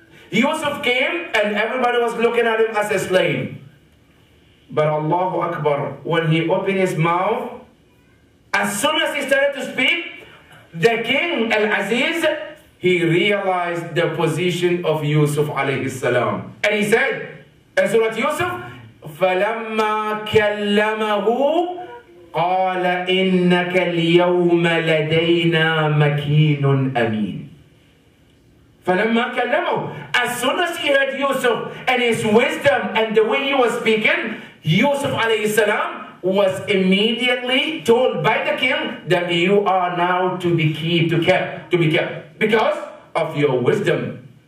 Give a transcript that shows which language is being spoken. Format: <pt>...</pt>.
<en>Yusuf came and everybody was looking at him as a slave. But Allahu Akbar, when he opened his mouth, as soon as he started to speak, the king, Al-Aziz, he realized the position of Yusuf alayhi salam. And he said, in Surah Yusuf,</en> <ar>فَلَمَّا كَلَّمَهُ قَالَ إِنَّكَ الْيَوْمَ لَدَيْنَا مَكِينٌ أَمِينٌ. فَلَمَّا كَلَّمَهُ,</ar> <en>as soon as he heard Yusuf and his wisdom and the way he was speaking, Yusuf alayhi salam was immediately told by the king that you are now to be kept because of your wisdom.</en>